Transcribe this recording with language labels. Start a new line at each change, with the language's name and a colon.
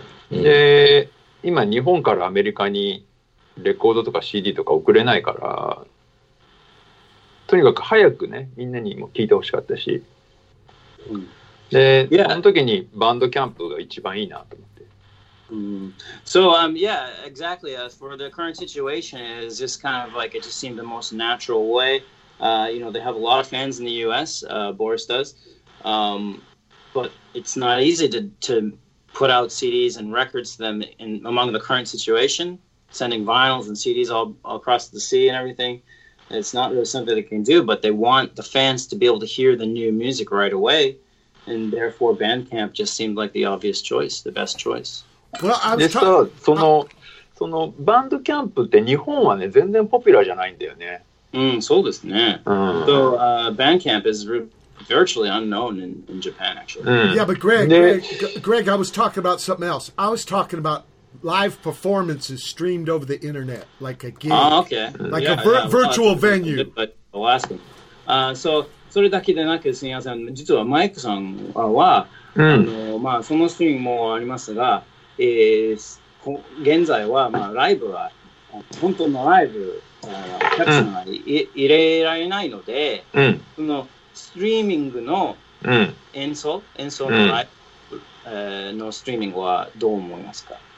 Japanese: で、今日本からアメリカにレコードとか CD とか送れないから、とにかく早くね、みんなにも聴いてほしかったし、で、その時にバンドキャンプが一番いいなと思って。
English: So yeah, exactly. For the current situation, it's just kind of like it just seemed the most natural way. You know, they have a lot of fans in the U.S. Boris does, but it's not easy to put out CDs and records to them in among the current situation. Sending vinyls and CDs all across the sea and everything, it's not really something they can do. But they want the fans to be able to hear the new music right away, and therefore Bandcamp just seemed like the obvious choice, the best choice.
Japanese: でさ、そのバンドキャンプって日本はね、全然ポピュラーじゃないんだよね。うん、そうですね。
English: So, Bandcamp is virtually unknown in Japan, actually. Yeah, but Greg, I was talking about something else. I was talking about live performances streamed over the internet, like a gig. Ah, okay. Like a virtual venue. But I'll ask him. So,
Japanese: それだけでなく、すみません、実はマイクさんは、まあ、そのシーンもありますが、現在は、まあ、ライブは本当のライブお客さんは入れられないので、そのストリーミングの演奏のライブ、のストリーミングはどう思いますか？